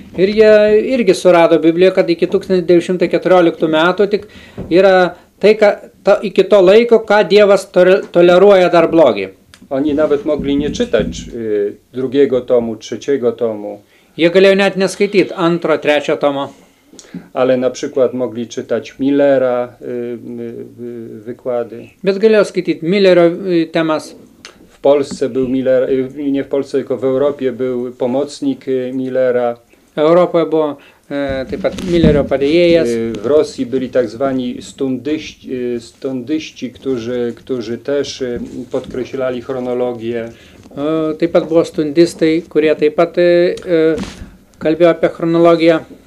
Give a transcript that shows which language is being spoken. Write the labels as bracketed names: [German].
[Lithuanian] Ir jie irgi surado Biblijoje, kad iki 1914 metų tik yra tai, ką iki to laiko, ką Dievas toleruoja dar blogį. [Polish] Oni nawet mogli nie czytać drugiego tomu, trzeciego tomu. [Lithuanian] Jie galėjo net neskaityti antro, trečio tomo. [Polish] Ale na przykład mogli czytać Millera wykłady. [Lithuanian] Bet galėjo skaityti Millero temas. [Polish] W Polsce był Miller, nie w Polsce, tylko w Europie był pomocnik Millera. [Lithuanian] Europa była taip pat Millero padėjėjas. [Polish] W Rosji byli tak zwani stundyści, którzy też podkreślali chronologię. [Lithuanian] Taip pat buvo stundistai, kurie taip pat kalbėjo apie chronologiją.